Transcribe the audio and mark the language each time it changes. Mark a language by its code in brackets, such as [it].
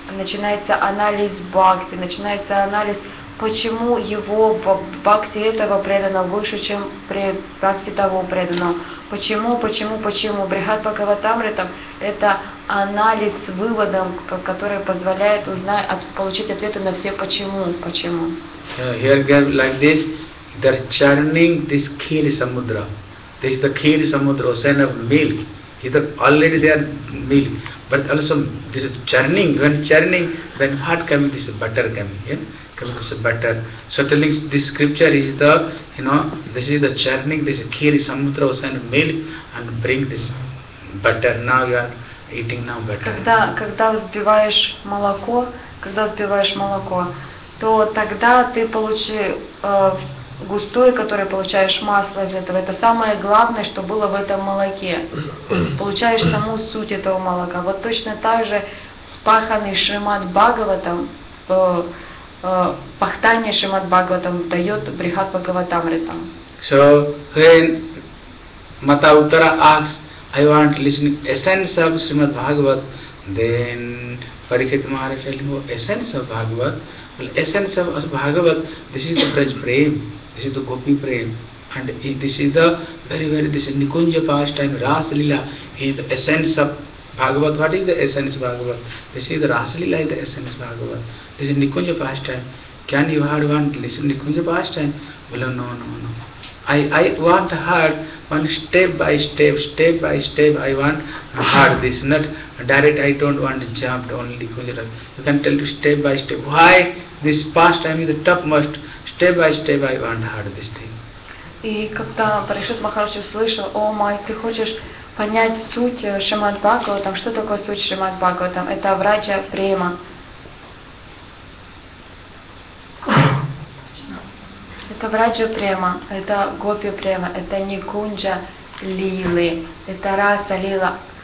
[ru] Начинается анализ бхакти. Начинается анализ, почему его бхакти этого преданного выше, чем бхакти того преданного. Почему, почему, почему? Брихат Бхагаватамритам — это анализ с выводом, который позволяет узнать, получить ответы на все почему, почему. [en] Here again, like this, they're churning this khir samudra. This is the khir samudra, ocean of milk. It's already there milk, but also this is churning. When churning, then what comes? This butter comes. Yeah? So telling this scripture is the, you know, this is the churning, this kheer samudra ocean milk and bring this butter. Now you are eating now butter. [ru] Когда взбиваешь молоко, когда взбиваешь молоко, то тогда ты получи густое, которое получаешь масло из этого. Это самое главное, что было в этом молоке. Получаешь саму суть этого молока. Вот точно так же спаханный Шримад Бхагаватам, пахтанья Шримад Бхагаватам дает Брихат Бхагаватамритам. [en] So when Mata Uttara asks, I want to listen essence of Shrimad Bhagavat, then Parikshit Maharaj tells him, essence of Bhagavat, well, essence of Bhagavat, this is the Braj Prem, this is the Gopi Prem, and this is the very, this is Nikunja pastime, Ras Lila, he is the essence of Bhagavat. What is the essence of Bhagavat? This is the Rasa Lila is the essence of Bhagavat. This is Nikunja pastime. Can you hear one to listen Nikunja pastime? Well, no, no, no. I want to hear one step by step, I want to hear this. Not direct, I don't want to jump only Nikunja. You can tell to step by step. Why this pastime is the topmost? Step by step, I want to hear this thing. [ru] И когда Парикшит Махарадж услышал, [en] о май, [ru] ты хочешь понять суть Шримад Бхагаватам, что такое суть Шримад Бхагаватам? Это Враджа Према. Это Враджа Према, это Гопи Према, это Никунджа Лилы, это Раса Лила.